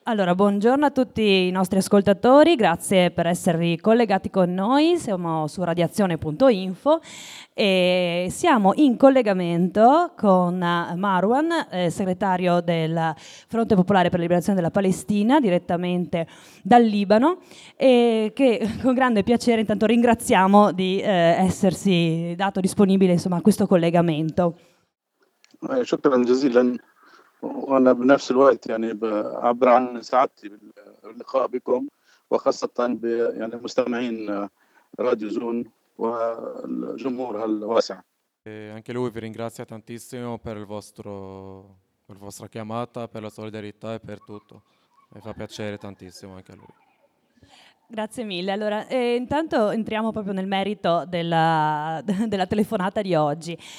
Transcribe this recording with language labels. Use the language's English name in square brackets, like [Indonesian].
[Italian] Allora, buongiorno a tutti i nostri ascoltatori, grazie per esservi collegati con noi, siamo su radiazione.info e siamo in collegamento con Marwan, segretario del Fronte Popolare per la Liberazione della Palestina, direttamente dal Libano, e che con grande piacere intanto ringraziamo di essersi dato disponibile insomma, a questo collegamento. Grazie mille. [Arabic] وانا بنفس الوقت يعني عبر عن سعادتي باللقاء بكم وخاصة ب يعني مستمعين راديو زون والجمهور الواسع. [Italian] Anche lui vi ringrazia tantissimo per il vostro per la vostra chiamata, per la solidarietà e per tutto. Mi fa piacere tantissimo anche a lui. Grazie mille. Allora, intanto entriamo proprio nel merito della telefonata di oggi.